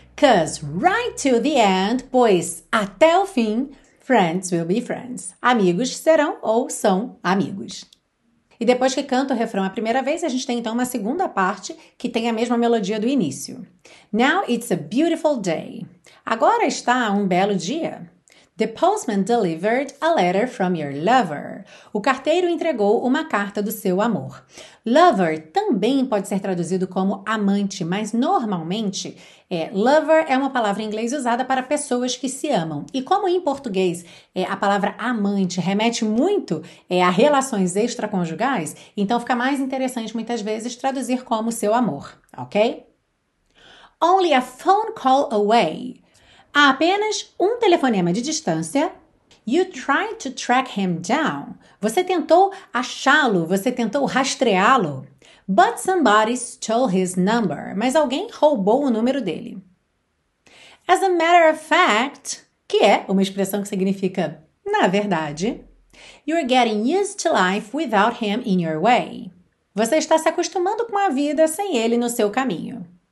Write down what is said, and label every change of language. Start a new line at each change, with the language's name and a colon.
English: 'Cause right till the end,
Portuguese: pois até o fim,
English: friends will be friends.
Portuguese: Amigos serão ou são amigos. E depois que canta o refrão a primeira vez, a gente tem então uma segunda parte que tem a mesma melodia do início.
English: Now it's a beautiful day.
Portuguese: Agora está um belo dia.
English: The postman delivered a letter from your lover.
Portuguese: O carteiro entregou uma carta do seu amor. Lover também pode ser traduzido como amante, mas normalmente lover é uma palavra em inglês usada para pessoas que se amam. E como em português a palavra amante remete muito a relações extraconjugais, então fica mais interessante muitas vezes traduzir como seu amor, ok?
English: Only a phone call away.
Portuguese: Há apenas um telefonema de distância.
English: You tried to track him down.
Portuguese: Você tentou achá-lo, você tentou rastreá-lo.
English: But somebody stole his number.
Portuguese: Mas alguém roubou o número dele.
English: As a matter of fact,
Portuguese: que é uma expressão que significa na verdade,
English: you're getting used to life without him in your way.
Portuguese: Você está se acostumando com a vida sem ele no seu caminho.